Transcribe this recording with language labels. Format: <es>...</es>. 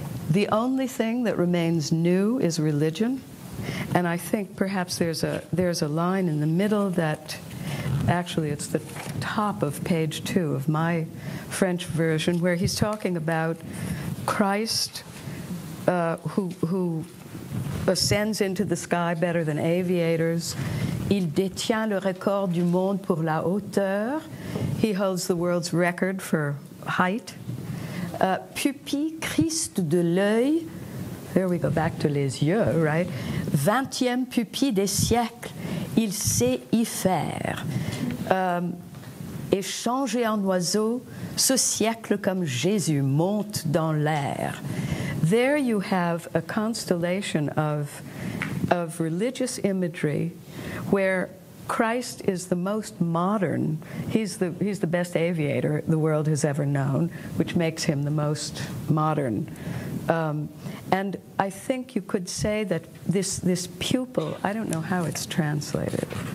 <en>The only thing that remains new is religion. And I think perhaps there's a line in the middle that, actually, it's the top of page 2 of my French version, where he's talking about Christ, who ascends into the sky better than aviators.</en> <fr>Il détient le record du monde pour la hauteur.</fr> <en>He holds the world's record for height.</en> <fr>Pupille Christ de l'œil.</fr> <en>There we go back to</en> <fr>les yeux,</fr> <en>right?</en> <fr>20e pupille des siècles, il sait y faire. Et changer en oiseau, ce siècle comme Jésus monte dans l'air.</fr> <en>There you have a constellation of religious imagery where Christ is the most modern. He's the best aviator the world has ever known, which makes him the most modern. And I think you could say that this pupil, I don't know how it's translated.</en>